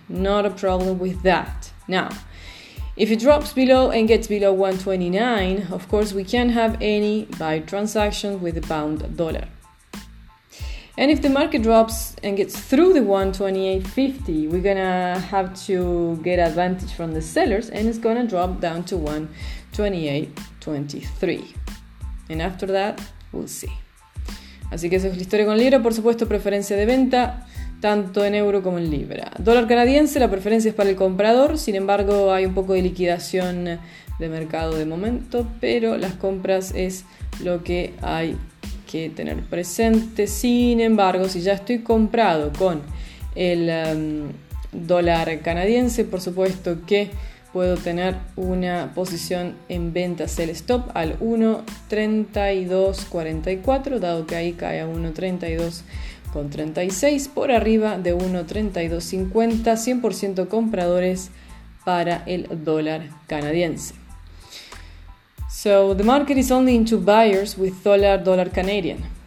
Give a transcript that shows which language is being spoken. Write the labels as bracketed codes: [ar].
[en] Not a problem with that. Now, if it drops below and gets below 1.29, of course we can't have any buy transaction with the pound dollar. And if the market drops and gets through the 1.2850, we're gonna have to get advantage from the sellers and it's gonna drop down to 1.2823. And after that, we'll see. [es] Así que eso es la historia con libra, por supuesto, preferencia de venta. Tanto en euro como en libra. Dólar canadiense, la preferencia es para el comprador. Sin embargo, hay un poco de liquidación de mercado de momento. Pero las compras es lo que hay que tener presente. Sin embargo, si ya estoy comprado con el dólar canadiense, por supuesto que puedo tener una posición en venta sell stop al 1.3244, dado que ahí cae a 1.3236 por arriba de 1.3250, 100% compradores para el dólar canadiense. [en] So the market is only into buyers with dólar canadian.